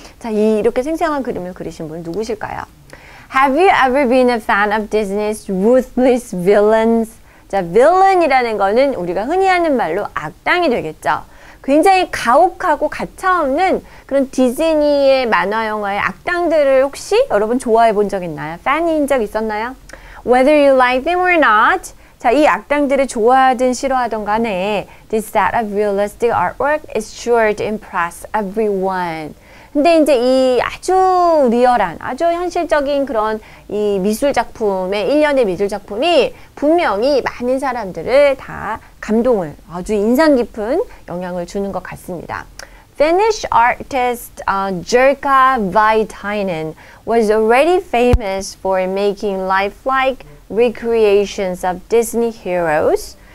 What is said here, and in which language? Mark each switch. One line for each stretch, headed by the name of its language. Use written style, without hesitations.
Korean: 자, 이렇게 생생한 그림을 그리신 분 누구실까요?
English: Have you ever been a fan of Disney's ruthless villains?
Korean: 자, villain이라는 거는 우리가 흔히 하는 말로 악당이 되겠죠. 굉장히 가혹하고 가차없는 그런 디즈니의 만화 영화의 악당들을 혹시 여러분 좋아해 본 적 있나요? 팬인 적 있었나요?
English: Whether you like them or not,
Korean: 자, 이 악당들을 좋아하든 싫어하든 간에
English: This set of realistic artwork is sure to impress everyone.
Korean: 근데 이제 이 아주 리얼한, 아주 현실적인 그런 이 미술 작품의 일련의 미술 작품이 분명히 많은 사람들을 다 감동을, 아주 인상 깊은 영향을 주는 것 같습니다.
English: Finnish artist Jerka Vaitainen was already famous for making lifelike recreations of Disney heroes.